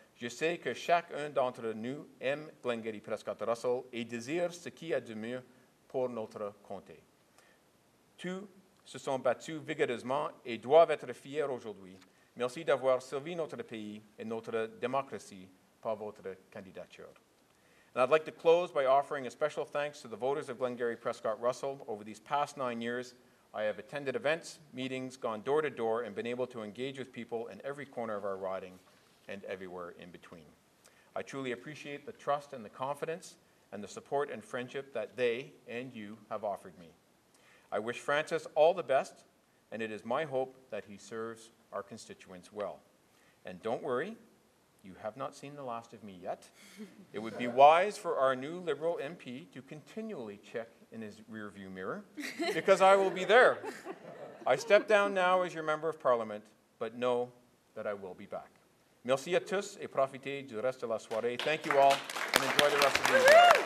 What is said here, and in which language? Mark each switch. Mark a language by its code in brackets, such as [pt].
[fr] Je sais que chacun d'entre nous aime Glengarry Prescott Russell et désire ce qui a de mieux pour notre comté. Tous se sont battus vigoureusement et doivent être fiers aujourd'hui. Merci d'avoir servi notre pays et notre démocratie par votre candidature. [en] And I'd like to close by offering a special thanks to the voters of Glengarry Prescott Russell. Over these past 9 years, I have attended events, meetings, gone door to door, and been able to engage with people in every corner of our riding and everywhere in between. I truly appreciate the trust and the confidence and the support and friendship that they and you have offered me. I wish Francis all the best, and it is my hope that he serves our constituents well. And don't worry, you have not seen the last of me yet. It would be wise for our new Liberal MP to continually check in his rearview mirror, because I will be there. I step down now as your Member of Parliament, but know that I will be back. [fr] Merci à tous et profitez du reste de la soirée. [en] Thank you all and enjoy the rest of the evening.